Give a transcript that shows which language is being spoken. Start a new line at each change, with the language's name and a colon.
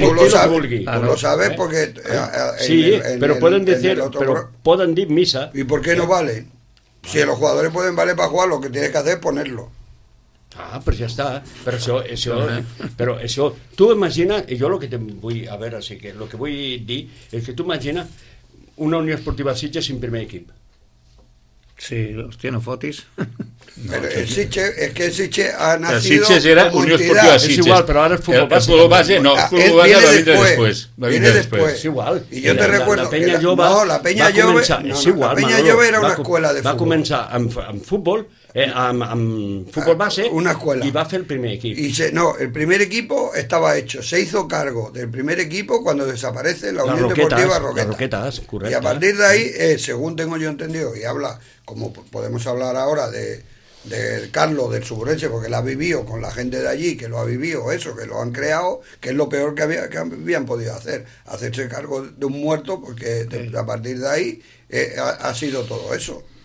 Spanish: tú lo sabes, lo sabes porque... Sí, pero pueden decir, pueden decir misa. ¿Y por qué no valen? Si los jugadores pueden valer para jugar, lo que tienes que hacer es ponerlo.
Catalan: Ah, però ja està, però això però això, tu imagina, i jo el que vull, a veure, sí que el que vull dir és que tu imagina una Unió Esportiva Sitges
Spanish: sin
Catalan: primer equip. Sí, hòstia, no fotis. Però el Sitges, és que el Sitges ha nascido... El Sitges era Unió Esportiva Sitges. És igual, però ara és futbol base. El futbol base, no, el futbol base va vindre després.
Spanish: Viene
Catalan: després. És igual. I jo
Spanish: te recuerdo...
Catalan: La Penya Jove... No, la Penya Jove... És igual, la Penya Jove era
Spanish: una escuela
Catalan: de futbol. Va començar amb futbol, amb futbol base,
Spanish: una escuela,
Catalan: i va fer el primer equip.
Spanish: No, el primer equipo estaba hecho, se hizo cargo del primer equipo cuando desaparece la Unión Deportiva Roquetas. Roquetas, correcto. Y a partir de ahí, según tengo yo entendido, y habla, como podemos hablar ahora de Carlos, del Suburense, porque lo ha vivido con la gente de allí, que lo ha vivido eso, que lo han creado, que es lo peor que habían podido hacer, hacerse cargo de un muerto, porque a partir de ahí ha sido todo eso.